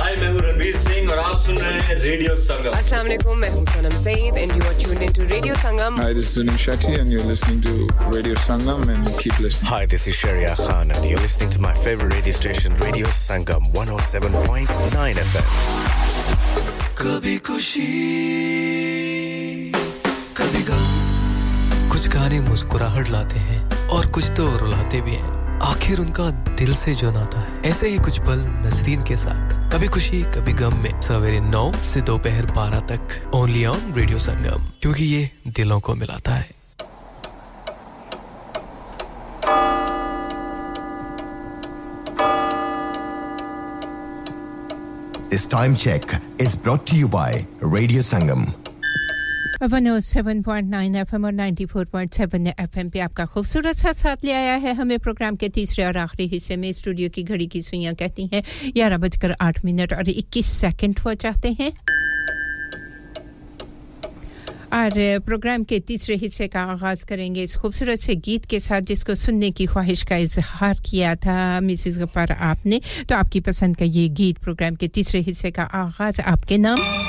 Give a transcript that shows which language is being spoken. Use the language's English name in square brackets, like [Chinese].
[English] Hi, [Hindi] main hu Ranveer Singh, aur aap sun rahe hain Radio Sangam. [English] Assalamu alaikum, [Hindi] main hu [English] Sanam Saeed, and you are tuned into Radio Sangam. Hi, this is Anish Shetty, and you're listening to Radio Sangam, and keep listening. Hi, this is Sharia Khan, and you're listening to my favorite radio station, Radio Sangam 107.9 FM. [Hindi] कभी खुशी कभी गम, कुछ गाने मुस्कुराहट लाते हैं और कुछ तो रुलाते भी हैं. आखिर उनका दिल से जो नाता है ऐसे ही कुछ पल नसरीन के साथ कभी खुशी कभी गम में सवेरे 9 से दोपहर 12 तक ओनली ऑन रेडियो संगम क्योंकि ये दिलों को मिलाता है [English] This time check is brought to you by Radio Sangam. [Hindi] 107.9 FM और 94.7 FM पे आपका खूबसूरत सा साथ ले आया है हमें प्रोग्राम के तीसरे और आखिरी हिस्से में स्टूडियो की घड़ी की सुइयां कहती हैं 11:08 और 21 सेकंड हो जाते हैं और प्रोग्राम के तीसरे हिस्से का आगाज करेंगे इस खूबसूरत से गीत के साथ जिसको सुनने की ख्वाहिश का इजहार किया था मिसेस गफ्फार आपने तो आपकी पसंद का ये गीत प्रोग्राम के तीसरे हिस्से का आगाज आपके नाम